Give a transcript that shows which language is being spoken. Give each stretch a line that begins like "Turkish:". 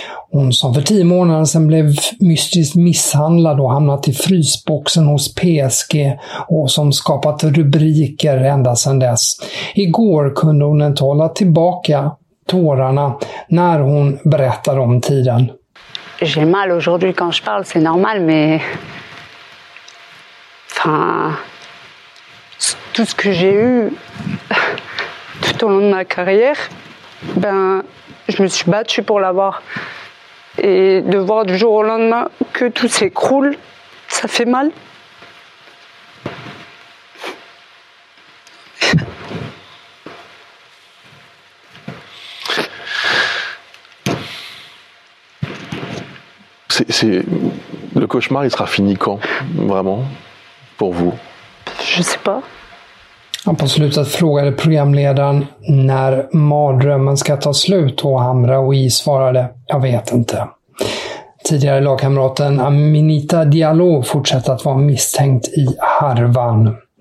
Swedish: Hon som för 10 månader sedan blev mystiskt misshandlad och hamnat i frysboxen hos PSG och som skapat rubriker ända sedan dess. Igår kunde hon inte hålla tillbaka tårarna när hon berättade om tiden.
French: J'ai mal aujourd'hui quand je parle, c'est normal, mais... Enfin... Tout ce que j'ai eu tout au long de ma carrière, ben, je me suis battue pour l'avoir. Et de voir du jour au lendemain que tout s'écroule, ça fait mal. C'est le cauchemar, il sera fini quand, vraiment, pour vous? Je sais pas.
Swedish: Han på slutet frågade programledaren när mardrömmen ska ta slut och Hamraoui svarade, jag vet inte. Tidigare lagkamraten Aminita Diallo fortsatte att vara misstänkt i harvan.